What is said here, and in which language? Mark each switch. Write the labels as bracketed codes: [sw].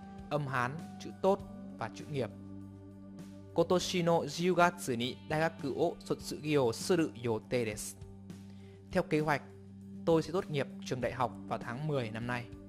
[vi] Âm hán, chữ tốt và chữ nghiệp. [ja] 今年の10月に大学を卒業する予定です。 [vi] Theo kế hoạch,tôi sẽ tốt nghiệp trường đại học vào tháng 10 năm nay.